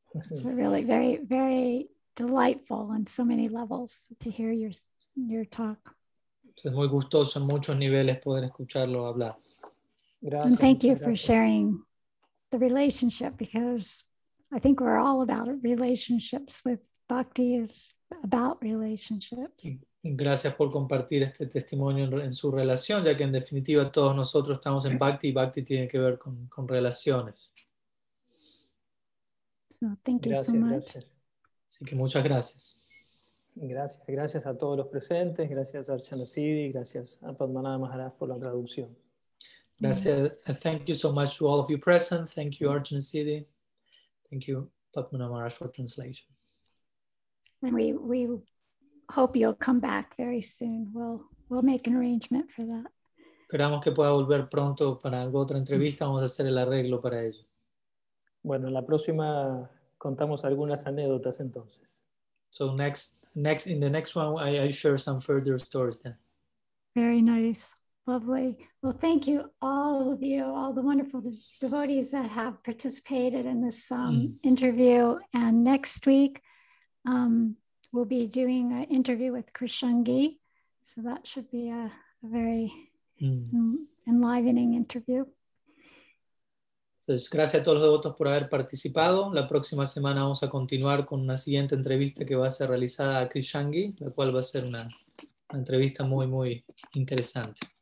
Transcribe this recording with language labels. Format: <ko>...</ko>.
<en>It's really very, very delightful on so many levels to hear your talk.</en> <es>Es muy gustoso en muchos niveles poder escucharlo hablar. Gracias.</es> <en>And thank you for sharing the relationship, because I think we're all about relationships. With bhakti is about relationships.</en> <es>Gracias por compartir este testimonio en su relación, ya que en definitiva todos nosotros estamos en bhakti y bhakti tiene que ver con relaciones.</es> <en>No, thank you</en> <es>gracias. Así que muchas gracias. Gracias a todos los presentes, gracias a Archana Siddhi, gracias a Padmanabha Maharaj por la traducción. Gracias. Yes.</es> <en>Thank you so much to all of you present. Thank you, Archana Siddhi. Thank you, Padmanabha Maharaj, for translation. And we hope you'll come back very soon. We'll make an arrangement for that.</en> <es>Esperamos que pueda volver pronto para alguna otra entrevista. Vamos a hacer el arreglo para ello. Bueno, la próxima contamos algunas anécdotas entonces.</es> <en>So next in the next one I share some further stories then. Very nice. Lovely. Well, thank you, all of you, all the wonderful devotees that have participated in this interview. And next week, we'll be doing an interview with Krishangi. So that should be a very enlivening interview.</en> <es>Entonces, gracias a todos los devotos por haber participado. La próxima semana vamos a continuar con una siguiente entrevista que va a ser realizada a Krishangi, la cual va a ser una entrevista muy, muy interesante.</es>